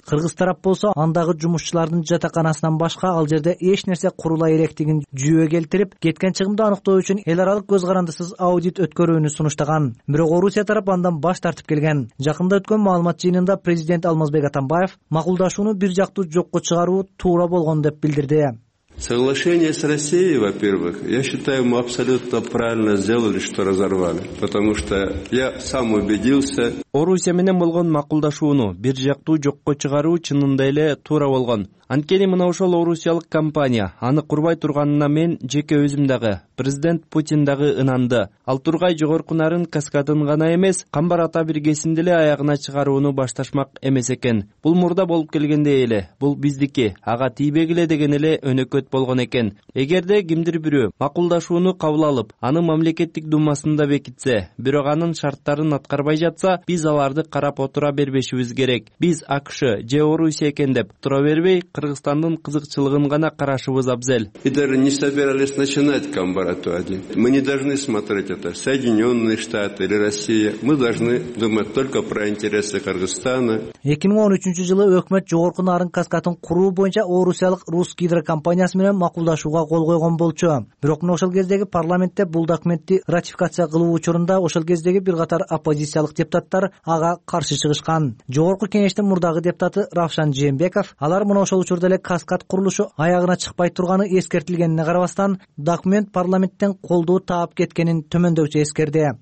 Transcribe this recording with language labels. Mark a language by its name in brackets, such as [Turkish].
[Kyrgyz] Кыргыз тарап болсо андагы жумушчулардын жатаканасынан башка ал жерде эч нерсе курула электигин жүйөгө келтирип, кеткен чыгымды аныктоо үчүн эл аралык көз карандысыз аудит өткөрүүнү сунуштаган. Бирок Орусия тарап андан баш тартып келген. Жакында өткөн маалымат жыйынында президент Алмазбек Атамбаев макулдашууну бир жактуу жокко чыгаруу туура болгон деп билдирди. [Russian] Соглашение с Россией, во-первых, я считаю, мы абсолютно правильно сделали, что разорвали. Потому что я сам убедился, [Kyrgyz] Орусия менен болгон макулдашууну бир жактуу жокко чыгаруу чынында эле туура болгон. Анткени мына ошол орусиялык компания аны курбай турганына мен жеке өзүм дагы, президент Путин дагы ынанды. Ал Тургай жогорку нарын каскадын гана эмес, камбар ата биргесин деле аягына чыгарууну башташмак эмес экен. Бул мурда болуп келгендей эле, бул биздики, ага тийбегиле деген эле өнөкөт болгон экен. Эгерде кимдир бирөө макулдашууну кабыл алып, аны мамлекеттик думасында бекитсе, бирок анын шарттарын аткарбай жатса, биз аларды карап отура бербешибиз керек. Биз АКШ же Орусия экен деп тура бербей, Кыргызстандын кызыкчылыгын гана карашыбыз абзел. [Russian] Идеры не собирались начинать камбаратуади. Мы не должны смотреть это Соединенные Штаты или Россия. Мы должны думать только про интересы Кыргызстана. [Kyrgyz] 2013 жылы өкмөт жогорку нарын каскатын куруу боюнча орусиялык Русгидро компаниясы менен макулдашууга кол койгон болчу. Бирок мына ошол кездеги парламентте бул документти ратификация кылуу учурунда ошол кездеги бир катар оппозициялык депутаттар ага каршы чыгышкан. Жогорку кеңештин мурдагы депутаты Равшан Жээнбеков алар мына ошол учурда эле каскад курулушу аягына чыкпай турганы эскертилгенине карабастан документ парламенттен колдоо таап кеткенин төмөндөгүчө эскерди.